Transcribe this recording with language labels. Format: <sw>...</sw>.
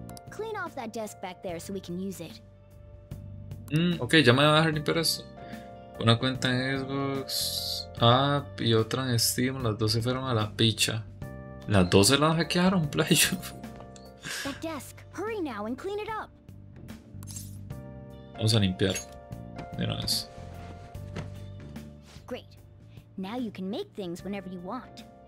<en>Clean off that desk back there so we can use it.</en> <es>Okay, ya me va a dejar limpiar eso. Una cuenta en Xbox App y otra en Steam, las dos se fueron a la picha. Las dos se las hackearon, play.</es> <en>That desk, hurry now and clean it up.</en> <es>Vamos a limpiar de una vez.</es> <en>Great. Now you can make things whenever you want.</en>